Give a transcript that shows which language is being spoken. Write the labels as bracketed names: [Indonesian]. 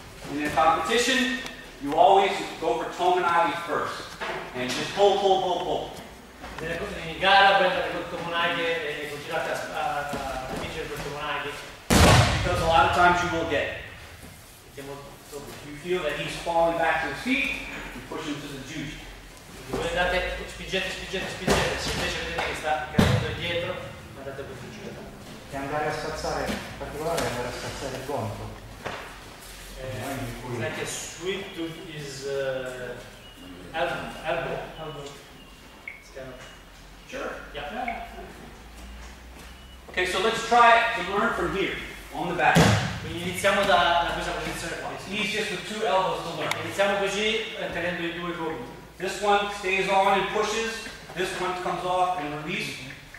[English] And in competition, you always go for tomonagi first, and just pull, pull, pull, pull. [Italian] In gara prendete col tomonagi e continuate a vincere col tomonagi. [English] Because a lot of times you will get it. So you feel that he's falling back to his feet, you push him to the juju. [Italian] Voi andate, spingete, spingete, spingete, se invece vedete che sta cadendo dietro, andate per il juju. E andare a spazzare, in particolare andare a spazzare il gomito. [English] It's like a sweep to his elbow. Sure. Yeah. Okay, so let's try to learn from here, on the back. [Italian] Quindi iniziamo da questa posizione qua. [English] It's easiest with two elbows to learn. [Italian] Iniziamo così, tenendo i due gomiti. [English] This one stays on and pushes, this one comes off and releases.